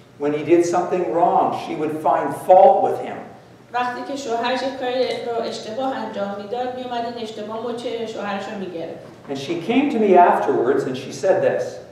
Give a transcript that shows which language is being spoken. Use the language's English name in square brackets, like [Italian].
[English] When he did something wrong, she would find fault with him. [Persian] وقتی که شوهرش کاری رو اشتباه انجام میداد، میومد این اشتباه رو چه شوهرش رو میگرفت. [English] And she came to me afterwards and she said this.